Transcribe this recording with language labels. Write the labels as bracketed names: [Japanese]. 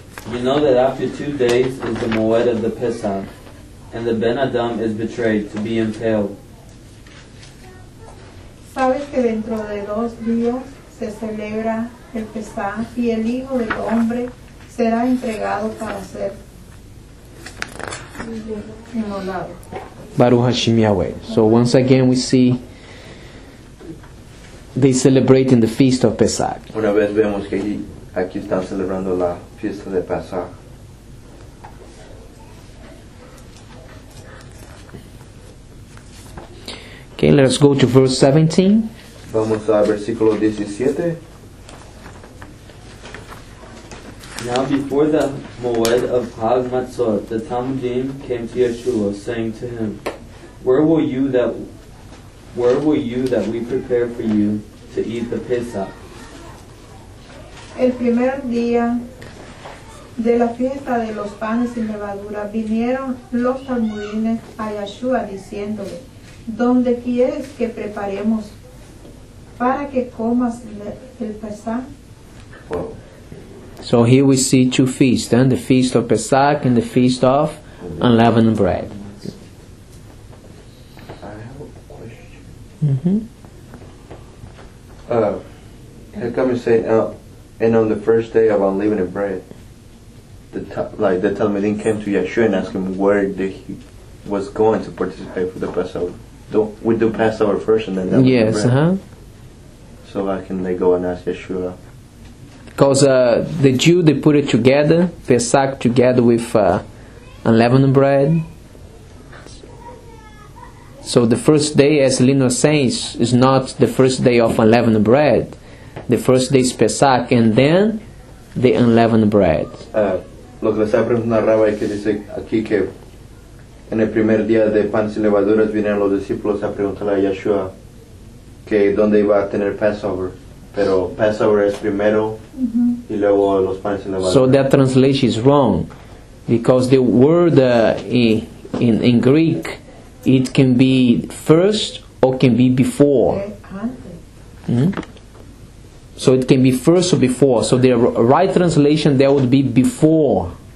[English] You know that after 2 days is the Moed of the Pesach, and the Ben Adam is betrayed to be impaled. [Spanish] Sabes que dentro de 2 días se celebra el Pesach y el Hijo del Hombre será entregado para ser inmolado. [Hebrew] Baruch Hashem Yahweh. [English] So once again we see they celebrate in the feast of Pesach. [Spanish] Una vez vemos que aquí están celebrando la fiesta de Pesach. [English] Okay, let's go to verse 17. [Spanish] Vamos a versículo 17. [English] Now before the Moed of Chag Matzot, the Talmudim came to Yeshua, saying to him, Where will you that we prepare for you to eat the Pesach? [Spanish] El primer día de la fiesta de los panes sin levadura vinieron los talmudines a Yeshua diciéndole, ¿dónde quieres que preparemos para que comas el Pesach? [English] So here we see two feasts, the feast of Pesach and the feast of unleavened bread. I have a question. How come you say, and on the first day of unleavened bread, the Talmudim came to Yeshua and asked him where he was going to participate for the Passover. We do Passover first and then unleavened bread. Yes, uh-huh. So how can they go and ask Yeshua? Because the Jew, they put it together, Pesach together with unleavened bread. So the first day, as Lino says, is not the first day of unleavened bread. The first day is Pesach, and then the unleavened bread. [Spanish] Lo que le estaba preguntando a Rabbi, que dice aquí que en el primer día de pan sin levaduras vinieron los discípulos a preguntarle a Yeshua que dónde iba a tener Passover. Pero Passover es primero, mm-hmm. y luego los panes sin levadura. [English] So that translation is wrong, because the word in Greek, it can be first or can be before. So it can be first or before. So the right translation there would be before.